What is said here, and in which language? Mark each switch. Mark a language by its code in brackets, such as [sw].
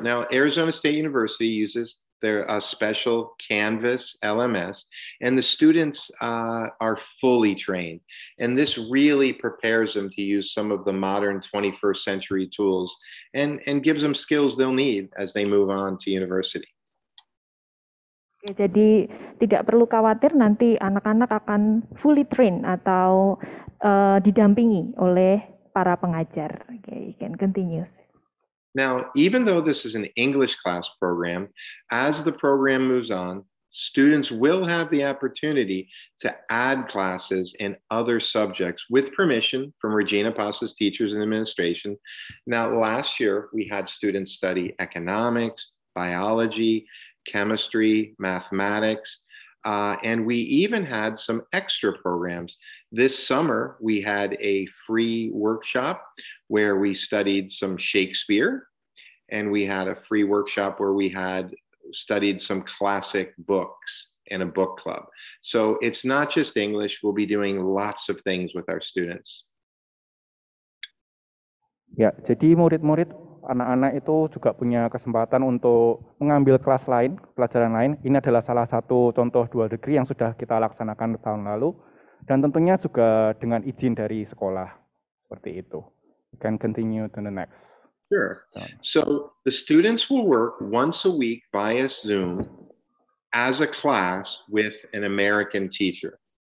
[en] Now, Arizona State University uses their special Canvas LMS, and the students are fully trained. And this really prepares them to use some of the modern 21st century tools and gives them skills they'll need as they move on to university. [id] Jadi tidak perlu khawatir nanti anak-anak akan [en] fully trained [id] atau didampingi oleh para pengajar. [en] Okay, you can continue. Now, even though this is an English class program, as the program moves on, students will have the opportunity to add classes in other subjects with permission from Regina Pasa's teachers and administration. Now, last year, we had students study economics, biology, chemistry, mathematics, and we even had some extra programs. This summer, we had a free workshop where we studied some Shakespeare, and we had a free workshop where we had studied some classic books in a book club. So it's not just English, we'll be doing lots of things with our students. [id] Ya, jadi murid-murid, anak-anak itu juga punya kesempatan untuk mengambil kelas lain, pelajaran lain. Ini adalah salah satu contoh dual degree yang sudah kita laksanakan tahun lalu, dan tentunya juga dengan izin dari sekolah, seperti itu. [en] You can continue to the next. Sure. So the students will work once a week via Zoom as a class with an American teacher.